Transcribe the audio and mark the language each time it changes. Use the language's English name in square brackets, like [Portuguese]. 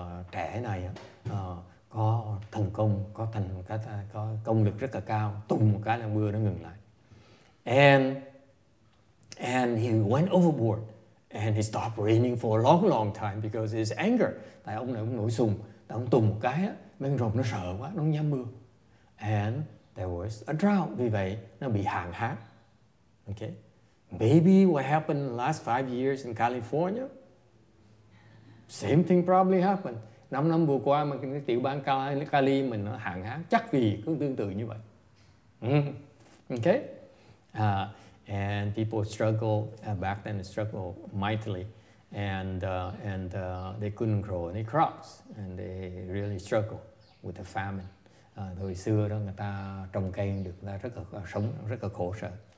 [Vietnamese] Trẻ này có thần công, có công lực rất là cao. Tùng một cái là mưa nó ngừng lại. [English] And he went overboard and it stopped raining for a long, long time because of his anger. [Vietnamese] Tại ông này ông nổi sùng. Ông tùng một cái á, mấy con rồng nó sợ quá, nó dám mưa. [English] And there was a drought, [Vietnamese] vì vậy nó bị hạn hán. Okay. [English] Maybe what happened in the last 5 years in California, same thing probably happened. [Vietnamese] 5 năm vừa qua mà cái tiểu bang Cali mình nó hạn hán, chắc vì cũng tương tự như vậy. [English] Okay. And people struggled, back then they struggled mightily. And they couldn't grow any crops, and they really struggled with the famine. [Vietnamese] Thời xưa đó người ta trồng cây được, người ta rất là sống rất là khổ sở.